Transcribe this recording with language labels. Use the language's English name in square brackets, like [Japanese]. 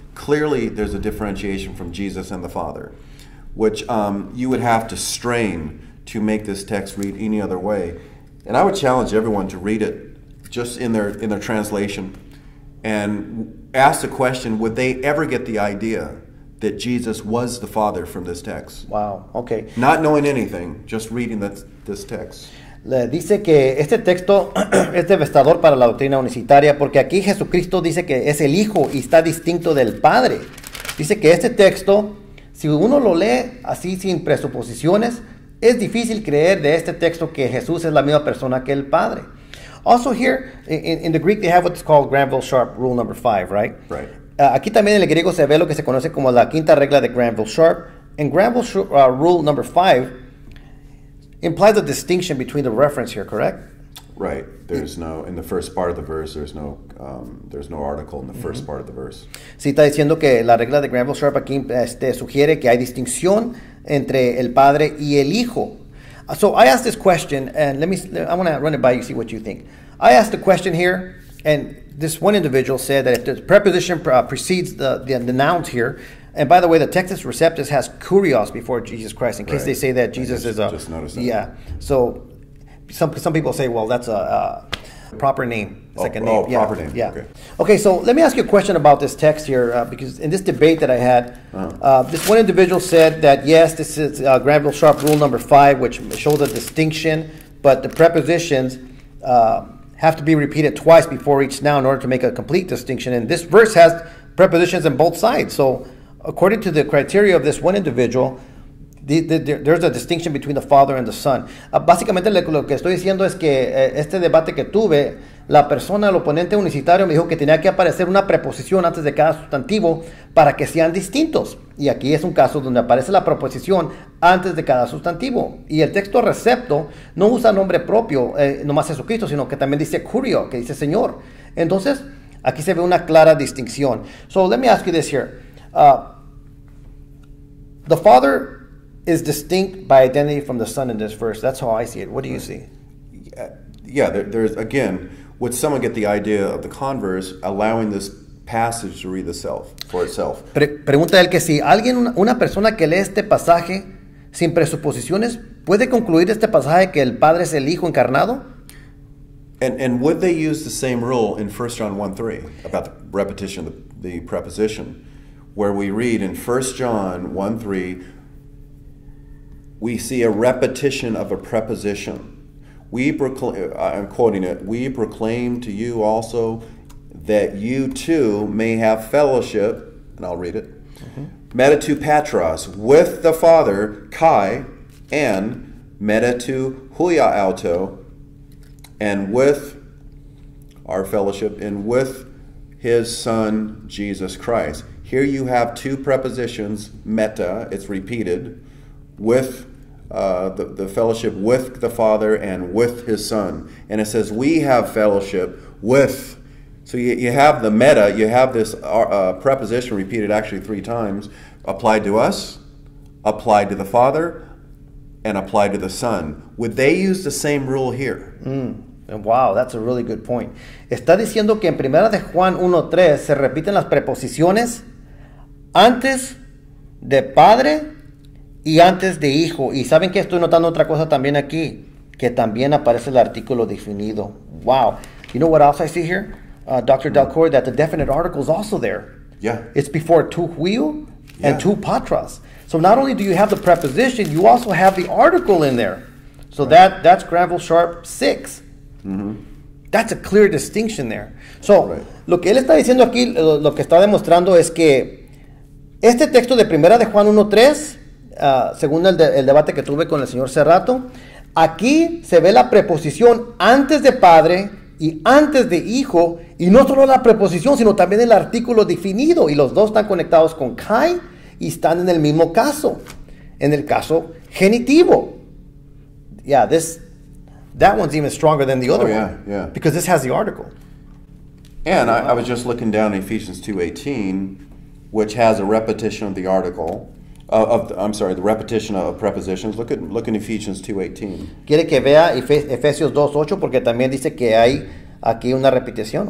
[English] Clearly there's a differentiation from Jesus and the Father, which you would have to strain to make this text read any other way. And I would challenge everyone to read it just in their translation and ask the question, would they ever get the idea that Jesus was the Father from this text? Wow, okay. Not knowing anything, just reading this text. [Spanish] Le dice que este texto es devastador para la doctrina unicitaria porque aquí Jesucristo dice que es el Hijo y está distinto del Padre. Dice que este texto, si uno lo lee así sin presuposiciones, es difícil creer de este texto que Jesús es la misma persona que el Padre. [English] Also here, in the Greek they have what's called Granville Sharp rule number 5, right? Right. [Spanish] Aquí también en el griego se ve lo que se conoce como la quinta regla de Granville Sharp. [English] And Granville rule number 5 implies a distinction between the reference here, correct? Right. There's no, in the first part of the verse, there's no article in the first part of the verse. [Spanish] Sí, está diciendo que la regla de Granville Sharp aquí sugiere que hay distinción entre el Padre y el Hijo. [English] So I asked this question, and I want to run it by you, see what you think. I asked the question here, and this one individual said that if the preposition precedes the nouns here, and by the way, the Textus Receptus has kurios before Jesus Christ, in case right. they say that Jesus just, is a... Just noticed that. Yeah, so some people say, well, that's a proper name, second name. Oh, yeah. Proper name, yeah. Okay, so let me ask you a question about this text here, because in this debate that I had, this one individual said that, yes, this is Granville Sharp rule number 5, which shows a distinction, but the prepositions... have to be repeated twice before each noun in order to make a complete distinction. And this verse has prepositions on both sides. So according to the criteria of this one individual, there's a distinction between the Father and the Son. [Spanish] Básicamente lo que estoy diciendo es que este debate que tuve, la persona, el oponente unicitario, me dijo que tenía que aparecer una preposición antes de cada sustantivo para que sean distintos. Y aquí es un caso donde aparece la preposición antes de cada sustantivo. Y el texto recepto no usa nombre propio, nomás Jesucristo, sino que también dice curio, que dice Señor. Entonces, aquí se ve una clara distinción. [English] So let me ask you this here. The Father is distinct by identity from the Son in this verse. That's how I see it. What do you see? Yeah, there's, again, would someone get the idea of the converse allowing this passage to read itself for itself? [Spanish] Pregunta él que si alguien, una persona que lee este pasaje sin presuposiciones, ¿Puede concluir este pasaje que el Padre es el Hijo encarnado? [English] And would they use the same rule in 1 John 1:3 about the repetition of the preposition, where we read in 1 John 1:3, we see a repetition of a preposition. I'm quoting it, we proclaim to you also that you too may have fellowship, and I'll read it, metatu patras, with the Father, kai, and metatu huia auto, and with our fellowship, and with his Son, Jesus Christ. Here you have two prepositions, meta, it's repeated, with the fellowship with the Father and with his Son. And it says, we have fellowship with. So you have the meta, you have this preposition repeated actually three times, applied to us, applied to the Father, and applied to the Son. Would they use the same rule here? Wow, that's a really good point. [Spanish] Está diciendo que en Primera de Juan 1:3 se repiten las preposiciones antes de Padre y antes de Hijo. Y saben que estoy notando otra cosa también aquí, que también aparece el artículo definido. Wow. [English] You know what else I see here, Dr. Dalcour? That the definite article is also there. Yeah. It's before tu huio and tu patras. So not only do you have the preposition, you also have the article in there. So that's Granville Sharp 6. That's a clear distinction there. [Spanish] So, lo que él está diciendo aquí, lo que está demostrando es que este texto de Primera de Juan 1:3, según el debate que tuve con el señor Cerrato, aquí se ve la preposición antes de Padre y antes de Hijo, y no solo la preposición, sino también el artículo definido, y los dos están conectados con kai y están en el mismo caso, en el caso genitivo. [English] That one's even stronger than the other one. Yeah. Because this has the article. And I was just looking down Ephesians 2:18, which has a repetition of the article. The repetition of prepositions. Look in Ephesians 2:18. [Spanish] Quiere que vea Efesios 2:8 porque también dice que hay aquí una repetición.